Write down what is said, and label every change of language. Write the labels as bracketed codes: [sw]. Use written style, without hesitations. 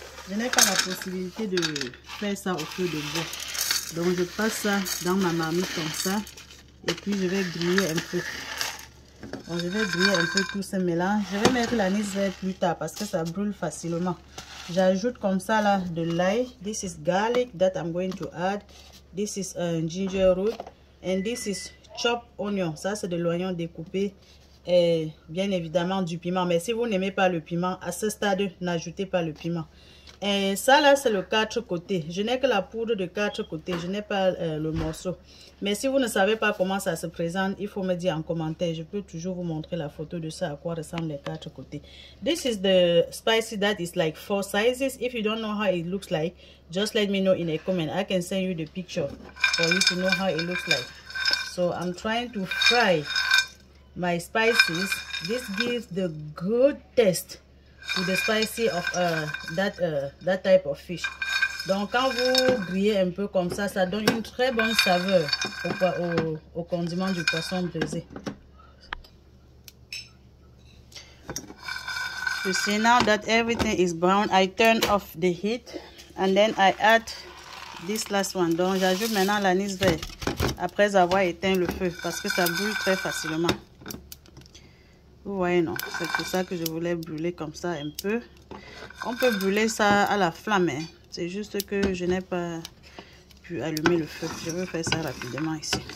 [fr] Je n'ai pas la possibilité de faire ça au feu de bois. Donc, je passe ça dans ma marmite comme ça. Et puis, je vais griller un peu. Bon, je vais griller un peu tout ce mélange. Je vais mettre l'anis vert plus tard parce que ça brûle facilement. J'ajoute comme ça là de l'ail. [en] This is garlic that I'm going to add. This is ginger root. And this is chop onion, [fr] ça c'est de l'oignon découpé et bien évidemment du piment. Mais si vous n'aimez pas le piment, à ce stade, n'ajoutez pas le piment. Et ça là, c'est le quatre côtés. Je n'ai que la poudre de quatre côtés, je n'ai pas le morceau. Mais si vous ne savez pas comment ça se présente, il faut me dire en commentaire. Je peux toujours vous montrer la photo de ça, à quoi ressemblent les quatre côtés. [en] This is the spicy that is like four sizes. If you don't know how it looks like, just let me know in a comment. I can send you the picture for you to know how it looks like. So I'm trying to fry my spices. This gives the good taste to the spicy of that type of fish. [fr] Donc quand vous grillez un peu comme ça, ça donne une très bonne saveur au condiment du poisson braisé. [en] You see now that everything is brown, I turn off the heat and then I add this last one. [fr] Donc j'ajoute maintenant l'anis vert. Après avoir éteint le feu, parce que ça brûle très facilement. Vous voyez, non? C'est pour ça que je voulais brûler comme ça un peu. On peut brûler ça à la flamme, hein? C'est juste que je n'ai pas pu allumer le feu. Je veux faire ça rapidement ici.